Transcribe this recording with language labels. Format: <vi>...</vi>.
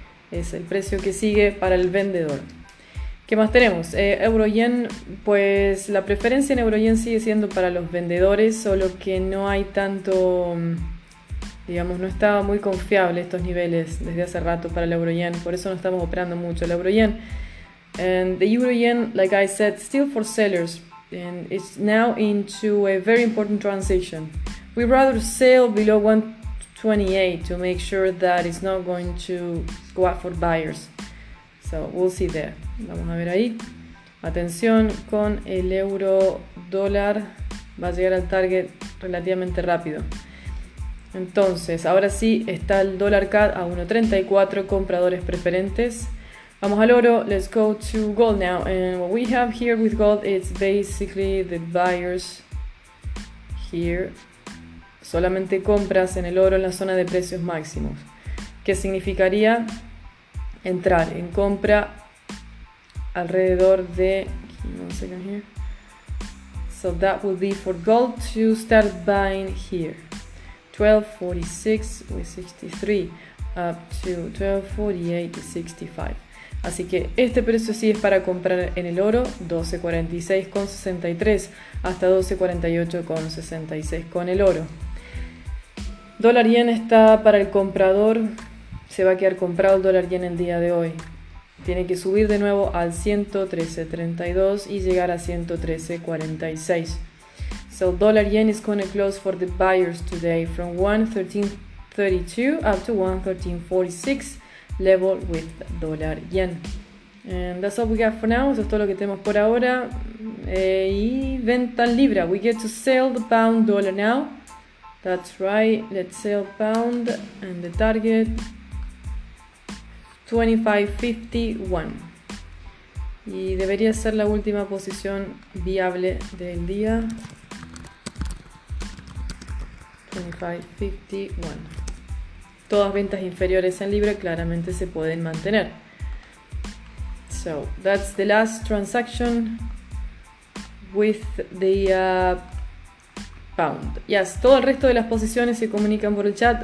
<es>Es el precio que sigue para el vendedor. ¿Qué más tenemos? Euro yen, pues la preferencia en euro yen sigue siendo para los vendedores, solo que no hay tanto, digamos, no estaba muy confiable estos niveles desde hace rato para el euro yen, por eso no estamos operando mucho el euro yen.</es> <en>And the euro yen, like I said, still for sellers, and it's now into a very important transition. We'd rather sell below 128 to make sure that it's not going to go out for buyers. So we'll see there. Vamos a ver ahí. Atención con el euro dólar.</en> <es>Va a llegar al target relativamente rápido. Entonces, ahora sí está el dólar CAD a 1.34, compradores preferentes. Vamos al oro.</es> <en>Let's go to gold now. And what we have here with gold is basically the buyers here.</en> <es>Solamente compras en el oro en la zona de precios máximos. ¿Qué significaría? Entrar en compra alrededor de.</es> <en>Give me one second here. So that would be for gold to start buying here. 1246 with 63 up to 1248 with 65.</en> <es>Así que este precio sí es para comprar en el oro, 1246 con 63 hasta 1248 con 66 con el oro. Dólar yen está para el comprador, se va a quedar comprado el dólar yen el día de hoy. Tiene que subir de nuevo al 113.32 y llegar a 113.46.</es> <en>So dollar yen is going to close for the buyers today from 1.1332 up to 1.1346 level with dollar yen. And that's all we got for now,</en> <es>eso es todo lo que tenemos por ahora. Y venta en libra,</es> <en>we get to sell the pound dollar now. That's right, let's sell pound and the target 25.51.</en> <es>Y debería ser la última posición viable del día. 25.51. Todas ventas inferiores en libra claramente se pueden mantener.</es> <en>So that's the last transaction with the pound.</en> <es>Yes, todo el resto de las posiciones se comunican por el chat.</es>